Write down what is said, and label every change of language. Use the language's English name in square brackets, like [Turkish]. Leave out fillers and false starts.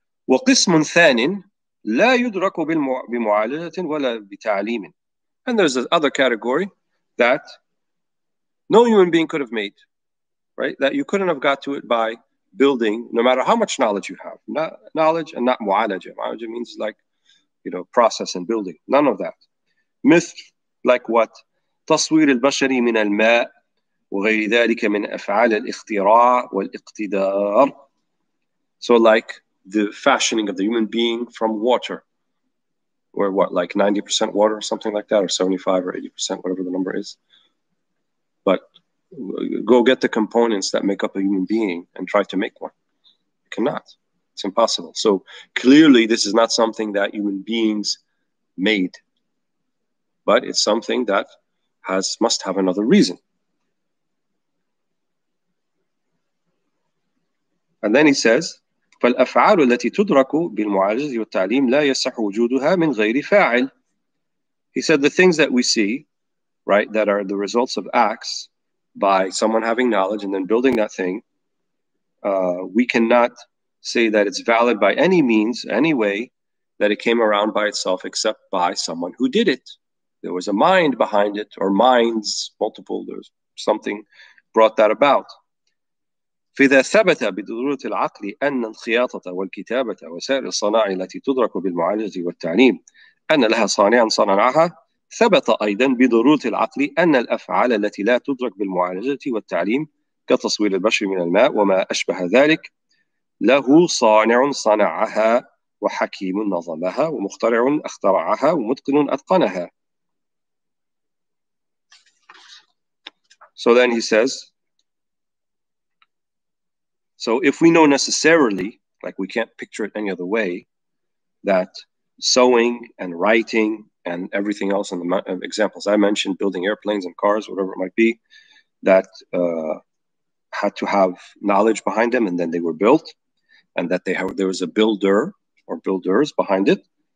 [Arabic] وَقِسْمٌ ثَانٍ لَا يُدْرَكُ بِمُعَالَجَةٍ وَلَا بِتَعْلِيمٍ [English] And there's another category that no human being could have made, right? That you couldn't have got to it by building, no matter how much knowledge you have. Not knowledge and not مُعَالَجَة. مُعَالَجَة means process and building. None of that. Myth, like what? [Arabic] تَصْوِيرِ الْبَشَرِ مِنَ الْمَاءِ وغير ذلك من أفعال الاختراع والاقتدار. [English] So like the fashioning of the human being from water, or what, like 90% water or something like that, or 75 or 80%, whatever the number is. But go get the components that make up a human being and try to make one. You cannot. It's impossible. So clearly this is not something that human beings made, but it's something that must have another reason. And then he says, [Arabic] فالأفعال التي تدرك بالمعاجز والتعليم لا يصح وجودها من غير فاعل. [English] He said, the things that we see, right, that are the results of acts by someone having knowledge and then building that thing, we cannot say that it's valid by any means, any way, that it came around by itself except by someone who did it. There was a mind behind it, or minds, multiple, there's something brought that about. [Arabic] فإذا ثبت بضرورة العقل أن الخياطة والكتابة وسائر الصناعة التي تدرك بالمعالجة والتعليم أن لها صانعا صنعها ثبت أيضا بضرورة العقل أن الأفعال التي لا تدرك بالمعالجة والتعليم كتصوير البشر من الماء وما أشبه ذلك له صانع صنعها وحكيم نظمها ومخترع أخترعها ومتقن أتقنها. [English] So then he says, so if we know necessarily, like we can't picture it any other way, that sewing and writing and everything else in the examples I mentioned, building airplanes and cars, whatever it might be, that had to have knowledge behind them and then they were built, and that there was a builder or builders behind it.